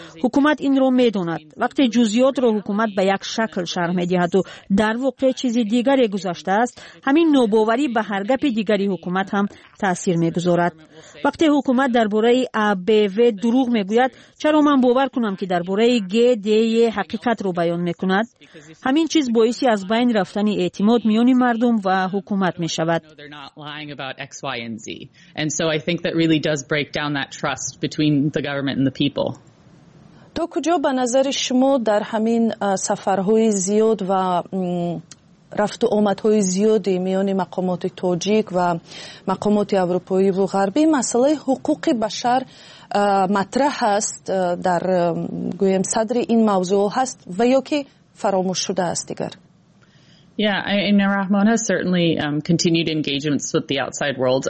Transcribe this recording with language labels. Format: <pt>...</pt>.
<fa>حکومت این را می داند. وقتی جزئیات را حکومت به یک شکل شرح می دهد و در واقع چیزی دیگری گذشته است، همین ناباوری به هر گپ دیگری حکومت هم تاثیر می گذارد. وقتی حکومت درباره ABV دروغ می گوید، چرا من باور کنم که درباره GDE حقیقت را بیان می کند؟ همین چیز باعث از بین رفتن اعتماد میان مردم و حکومت می شود.</fa> <en>And so I think that really does break down that trust between the government and the people.</en> <fa>تو کجا به نظر شما در همین سفرهای زیاد و رفت و آمدهای زیاد میان مقامات تاجیک و مقامات اروپایی و غربی مسئله حقوق بشر مطرح است در گویم صدر این موضوع هست و یا که فراموش شده است دیگر؟</fa> <en>Rahmon has certainly continued engagements with the outside world.</en>